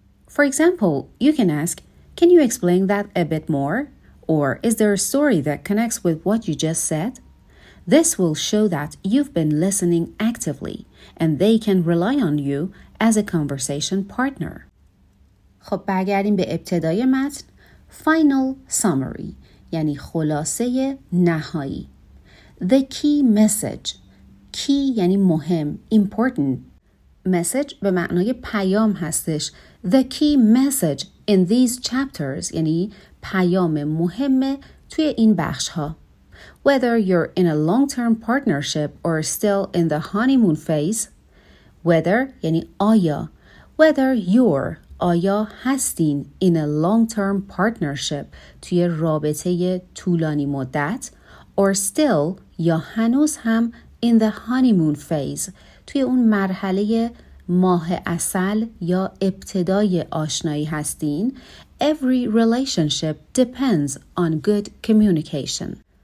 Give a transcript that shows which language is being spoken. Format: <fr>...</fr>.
<en>For example, you can ask, "Can you explain that a bit more?" Or, "Is there a story that connects with what you just said?" This will show that you've been listening actively and they can rely on you as a conversation partner.</en> <fa>خب برگردیم به ابتدای متن.</fa> <en>Final summary</en> <fa>یعنی خلاصه نهایی.</fa> <en>The key message.</en> <fa>Key یعنی مهم.</fa> <en>Important.</en> <fa>Message به معنای پیام هستش.</fa> <en>The key message in these chapters</en> <fa>یعنی پیام مهم توی این بخش ها.</fa> <en>Whether you're in a long-term partnership or still in the honeymoon phase.</en> <fa>Whether یعنی آیا.</fa> <en>Whether you're</en> <fa>آیا هستین</fa> <en>in a long-term partnership</en> <fa>توی رابطه طولانی مدت</fa> <en>or still</en> <fa>یا هنوز هم</fa> <en>in the honeymoon phase</en> <fa>توی اون مرحله ماه عسل یا ابتدای آشنایی هستین</fa> <en>every relationship depends on good communication</en>